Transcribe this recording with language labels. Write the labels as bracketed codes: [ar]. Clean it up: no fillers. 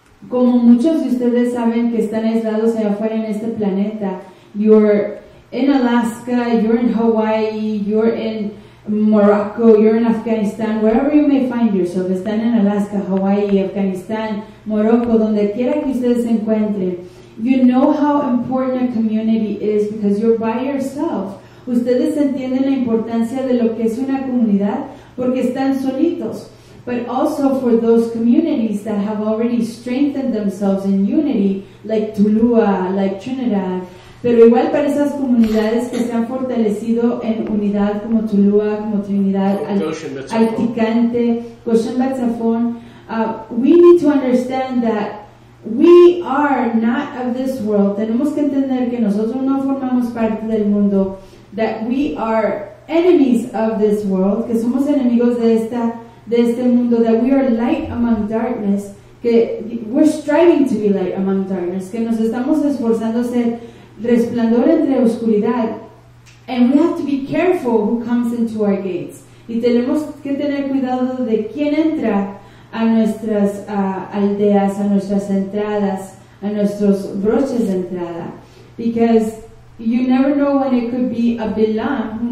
[es] Como muchos de ustedes saben que están aislados allá afuera en este planeta, [en] you're in Alaska, you're in Hawaii, you're in Morocco, you're in Afghanistan, wherever you may find yourself, [es] están en Alaska, Hawaii, Afghanistan, Morocco, donde quiera que ustedes se encuentren. [en] You know how important a community is because you're by yourself. [es] Ustedes entienden la importancia de lo que es una comunidad porque están solitos. [en] But also for those communities that have already strengthened themselves in unity, like Tulua, like Trinidad. [es] Pero igual para esas comunidades que se han fortalecido en unidad, como Tulua, como Trinidad, Alticante, Goshen Batzafon. [en] We need to understand that we are not of this world. [es] Tenemos que entender que nosotros no formamos parte del mundo. [en] That we are enemies of this world. [es] Que somos enemigos de esta de este mundo, [en] that we are light among darkness, [es] que [en] we're striving to be light among darkness, [es] que nos estamos esforzando a ser resplandor entre oscuridad, [en] and we have to be careful who comes into our gates, [es] y tenemos que tener cuidado de quién entra a nuestras aldeas, a nuestras entradas, a nuestros broches de entrada, [en] because you never know when it could be a Bilam.